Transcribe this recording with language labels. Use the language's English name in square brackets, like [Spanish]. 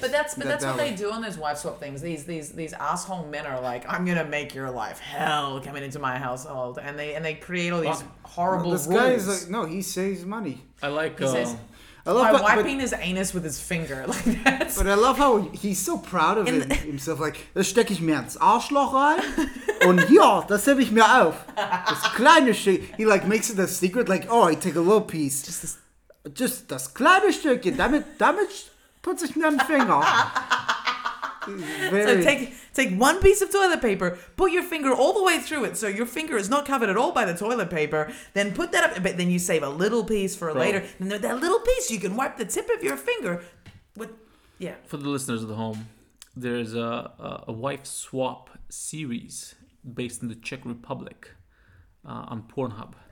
[English] But that's what they do on those wife swap things. These asshole men are like, I'm gonna make your life hell coming into my household, and they create all these horrible rules. This guy is like, no, he saves money. I like. By wiping his anus with his finger like that. But I love how he's so proud of himself. [German] Like, das steck ich mir ins Arschloch rein. Und ja, das hebe ich mir auf. Das kleine Stück. [English] He like makes it a secret. Like, oh, I take a little piece. [German] Just das kleine Stückchen. Damit putz ich mir einen Finger. [English] So take one piece of toilet paper, put your finger all the way through it so your finger is not covered at all by the toilet paper, then put that up, but then you save a little piece for later. And that little piece, you can wipe the tip of your finger with, yeah. For the listeners at home, there's a wife swap series based in the Czech Republic on Pornhub.